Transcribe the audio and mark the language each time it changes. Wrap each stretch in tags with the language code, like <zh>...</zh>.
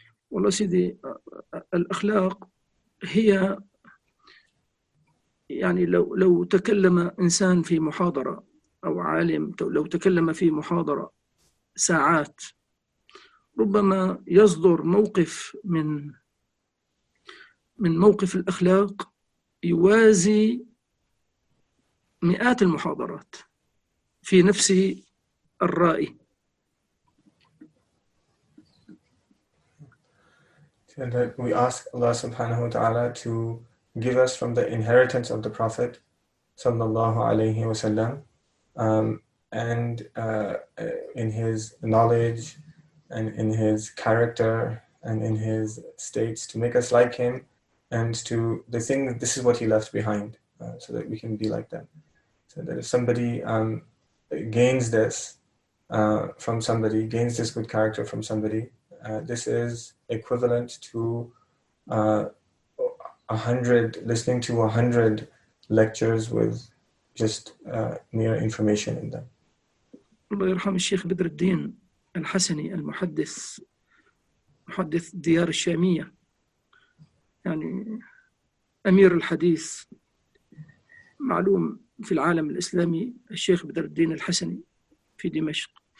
<ar>والله سيدي، الأخلاق هي يعني لو تكلم إنسان في محاضرة أو عالم، لو تكلم في محاضرة ساعات، ربما يصدر موقف من موقف الأخلاق يوازي مئات المحاضرات في نفس الرأي.</ar> <en>And that we ask Allah subhanahu wa ta'ala to give us from the inheritance of the Prophet sallallahu alayhi wa sallam, and in his knowledge and in his character and in his states, to make us like him, and to the thing that this is what he left behind, so that we can be like them. So that if somebody gains this from somebody, gains this good character from somebody, this is equivalent to 100, listening to 100 lectures with just mere information in them.</en> <ar>الله يرحم الشيخ بدر الدين الحسني المحدث، محدث ديار الشامية، يعني أمير الحديث معلوم في العالم الإسلامي، الشيخ بدر الدين الحسني في دمشق.</ar>